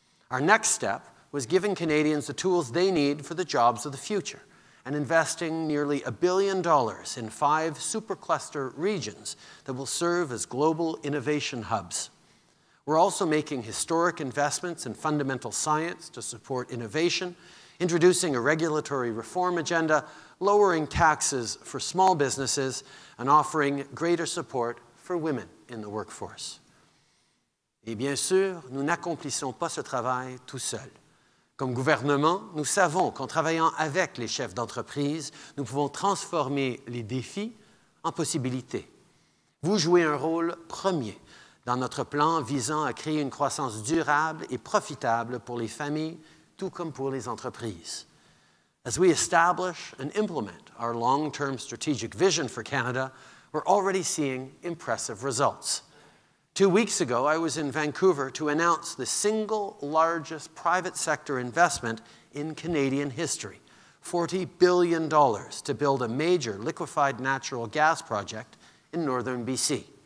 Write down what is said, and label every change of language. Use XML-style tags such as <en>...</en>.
<en>Our next step was giving Canadians the tools they need for the jobs of the future and investing nearly $1 billion in 5 supercluster regions that will serve as global innovation hubs. We're also making historic investments in fundamental science to support innovation, introducing a regulatory reform agenda, lowering taxes for small businesses, and offering greater support for women in the workforce.</en> <fr>Et bien sûr, nous n'accomplissons pas ce travail tout seul. Comme gouvernement, nous savons qu'en travaillant avec les chefs d'entreprise, nous pouvons transformer les défis en possibilités. Vous jouez un rôle premier dans notre plan visant à créer une croissance durable et profitable pour les familles, tout comme pour les entreprises.</fr> <en>As we establish and implement our long-term strategic vision for Canada, we're already seeing impressive results. 2 weeks ago, I was in Vancouver to announce the single largest private sector investment in Canadian history, $40 billion to build a major liquefied natural gas project in northern BC.</en>